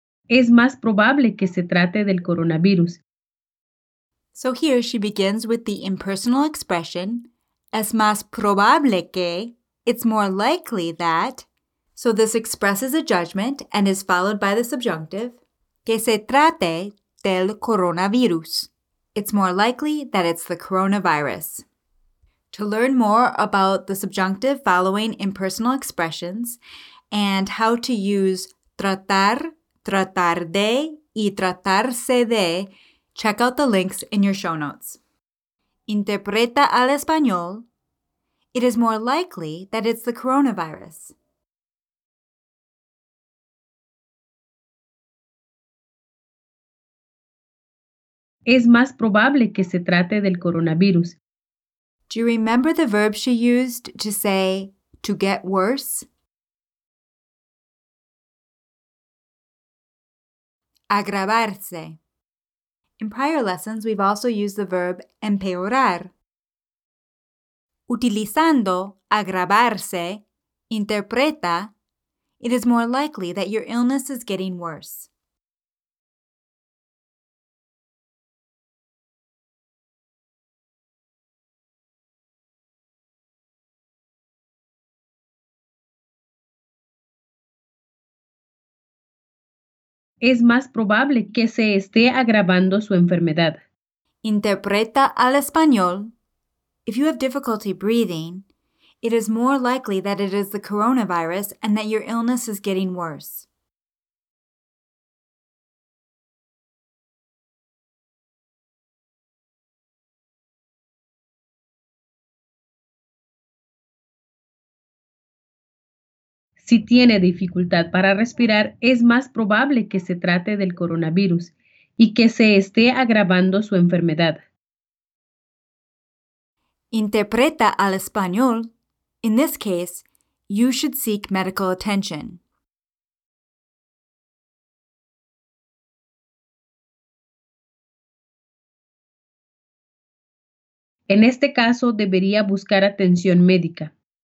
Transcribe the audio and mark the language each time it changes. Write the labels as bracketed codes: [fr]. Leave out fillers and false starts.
[es] Es más probable que se trate del coronavirus. [en] So here she begins with the impersonal expression, [es] es más probable que, [en] it's more likely that. So this expresses a judgment and is followed by the subjunctive, [es] que se trate del coronavirus. [en] It's more likely that it's the coronavirus. To learn more about the subjunctive following impersonal expressions and how to use tratar, tratar de, y tratarse de, check out the links in your show notes. [es] Interpreta al español. [en] It is more likely that it's the coronavirus. [es] Es más probable que se trate del coronavirus. [en] Do you remember the verb she used to say to get worse? Agravarse. In prior lessons, we've also used the verb empeorar. [es] Utilizando agravarse, interpreta, [en] it is more likely that your illness is getting worse. [es] Es más probable que se esté agravando su enfermedad. Interpreta al español. [en] If you have difficulty breathing, it is more likely that it is the coronavirus and that your illness is getting worse. [es] Si tiene dificultad para respirar, es más probable que se trate del coronavirus y que se esté agravando su enfermedad. Interpreta al español. [en] In this case, you should seek medical attention. [es] En este caso, debería buscar atención médica.